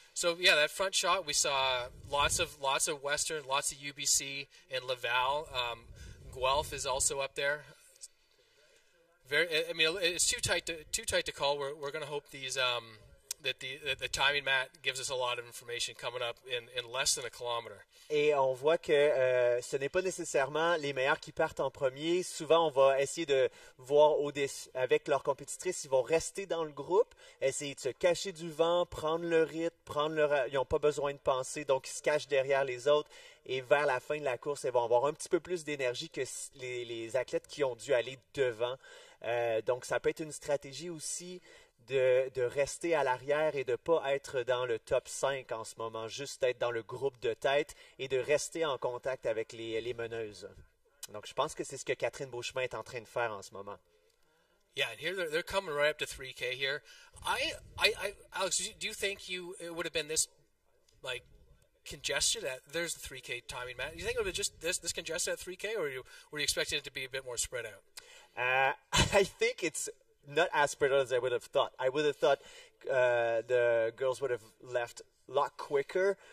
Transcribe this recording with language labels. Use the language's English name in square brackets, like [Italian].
[English] So yeah, that front shot, we saw lots of Western, lots of UBC and Laval. Guelph is also up there. It's too tight to call. We're going to hope that the timing mat gives us a lot of information coming up in less than a kilometer. [French] Et on voit que ce n'est pas nécessairement les meilleurs qui partent en premier. Souvent, on va essayer de voir avec leurs compétitrices, ils vont rester dans le groupe, essayer de se cacher du vent, prendre le rythme, ils n'ont pas besoin de penser, donc ils se cachent derrière les autres. Et vers la fin de la course, ils vont avoir un petit peu plus d'énergie que les athlètes qui ont dû aller devant. Donc, ça peut être une stratégie aussi de rester à l'arrière et de ne pas être dans le top 5 en ce moment, juste être dans le groupe de tête et de rester en contact avec les meneuses. Donc, je pense que c'est ce que Catherine Beauchemin est en train de faire en ce moment. [English] Yeah, and here they're coming right up to 3K here. I Alex, do you think it would have been this, like, congested at, there's the 3K timing, Matt. Do you think it would have been just this congested at 3K, or were you expecting it to be a bit more spread out? I think it's not as spread out as I would have thought. I would have thought the girls would have left a lot quicker.